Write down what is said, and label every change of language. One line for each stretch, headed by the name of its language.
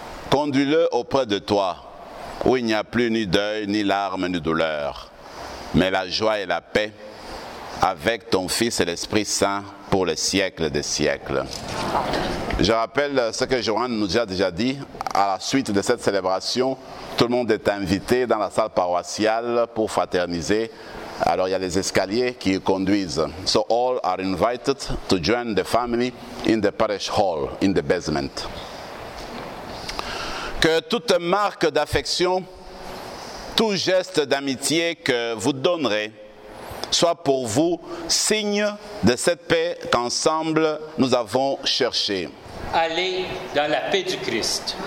French: Conduis-le auprès de toi, où il n'y a plus ni deuil, ni larmes, ni douleur, mais la joie et la paix, avec ton Fils et l'Esprit Saint pour les siècles des siècles. Je rappelle ce que Johan nous a déjà dit. À la suite de cette célébration, tout le monde est invité dans la salle paroissiale pour fraterniser. Alors il y a les escaliers qui conduisent.
English: So all are invited to join the family in the parish hall, in the basement.
French: Que toute marque d'affection, tout geste d'amitié que vous donnerez soit pour vous signe de cette paix qu'ensemble nous avons cherchée. Allez dans la paix du Christ.